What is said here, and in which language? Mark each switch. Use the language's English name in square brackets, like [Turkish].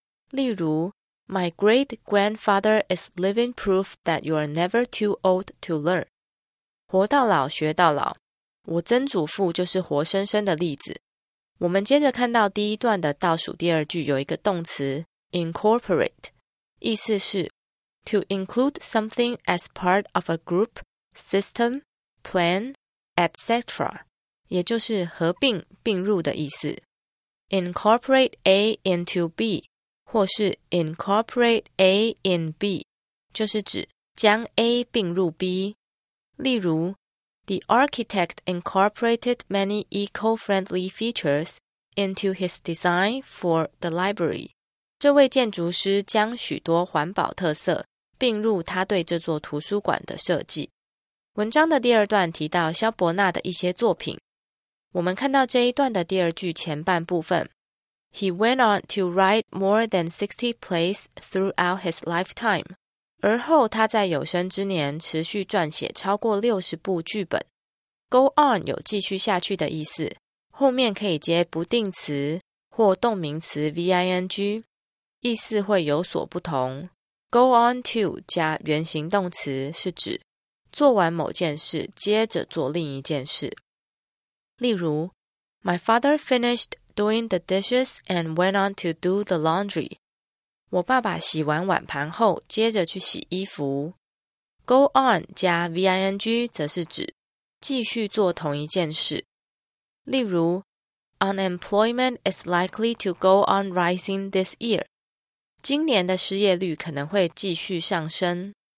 [Chinese] 例如 [English] My great-grandfather is living proof that you are never too old to learn. [Chinese] 活到老学到老，我曾祖父就是活生生的例子。我们接着看到第一段的倒数第二句有一个动词 incorporate， 意思是 [English] To include something as part of a group, system, plan, etc. [Chinese] 也就是合并、并入的意思。 [English] Incorporate A into B, [Chinese] 或是 [English] incorporate A in B, [Chinese] 就是指将 A 并入 B。例如 [English] ,The architect incorporated many eco-friendly features into his design for the library. [Chinese] 这位建筑师将许多环保特色并入他对这座图书馆的设计。文章的第二段提到萧伯纳的一些作品。我们看到这一段的第二句前半部分。 [English] He went on to write more than 60 plays throughout his lifetime. [Chinese] 而后他在有生之年持续撰写超过60部剧本。 Go on 有继续下去的意思。后面可以接不定词或动名词 ving, 意思会有所不同。 Go on to 加原形动词是指做完某件事接着做另一件事。例如 [English] ,My father finished doing the dishes and went on to do the laundry. [Chinese] 我爸爸洗完碗盘后接着去洗衣服。 Go on 加 ving 则是指继续做同一件事。例如 [English] ,Unemployment is likely to go on rising this year. [Chinese] 今年的失业率可能会继续上升。